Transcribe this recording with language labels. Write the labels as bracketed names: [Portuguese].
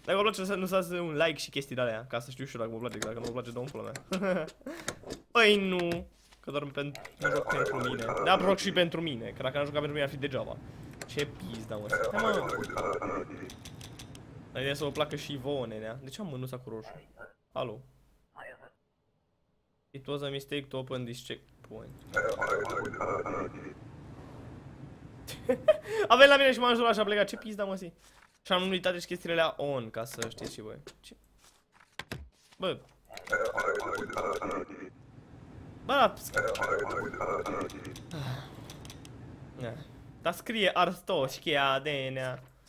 [Romanian] Dacă vă place, nu lăsați un like și chestii de alea, ca să știu și eu dacă vă place. Dacă nu vă place, dă-mi pula mea. Păi nu, că doar nu joc pentru mine. Dar joc și pentru mine, că dacă n-am jucat pentru mine ar fi degeaba. Ce pizda, mă. Hai, mă. Dar ideea să vă placă și vouă, nenea. De ce am mânuța cu roșu? Alo. [English] It was a mistake to open this checkpoint. [Romanian] A venit la mine și m-a ajutat și a plecat. Ce pizda, mă, si. Și am uitat deci chestiile alea on, ca să știți și voi. Ce? Bă. Bă, da, da, scrie Arstoschia, denea.